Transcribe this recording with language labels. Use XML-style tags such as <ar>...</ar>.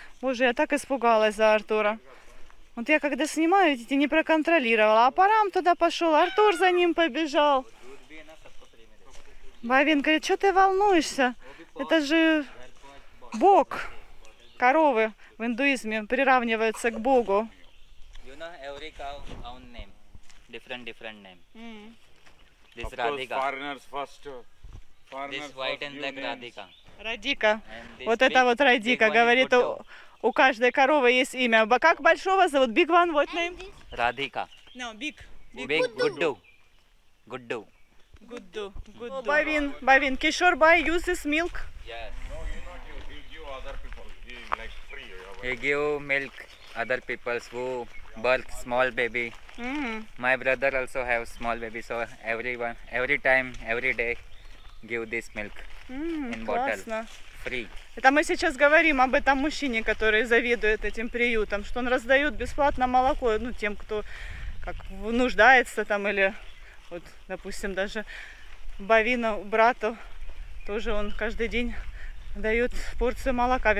<ru>Боже, я так испугалась за Артура. Вот я когда снимаю, видите, не проконтролировала. А Парам туда пошел, Артур за ним побежал. Бавин говорит, что ты волнуешься? Это же бог. Коровы в индуизме приравниваются к богу.</ru> <en>You know, every cow own name. Different name. Mm. This of course, Radhika. Foreigners first. This white and black Radhika.</en> <ru>Радика. Вот это вот Радика. Говорит, у каждой коровы есть имя. Как большого зовут?</ru> <en>Big one, what name?</en> <ru>Радика.</ru> <en>No, big. Big Гудду. Гудду. Good do. Oh, Бавин, Кишор Бай uses milk? Yes. No, you not you. He give other people. He like free. He give milk other people's who birth small baby. Mm-hmm. My brother also have small baby. So everyone, every time, every day, give this milk in bottle.</en> <ru>Классно.</ru> <en>Free.</en> <ru>Это мы сейчас говорим об этом мужчине, который заведует этим приютом, что он раздает бесплатно молоко, ну, тем, кто как нуждается там или... Вот, допустим, даже Бавину, брату, тоже он каждый день дает порцию молока.</ru>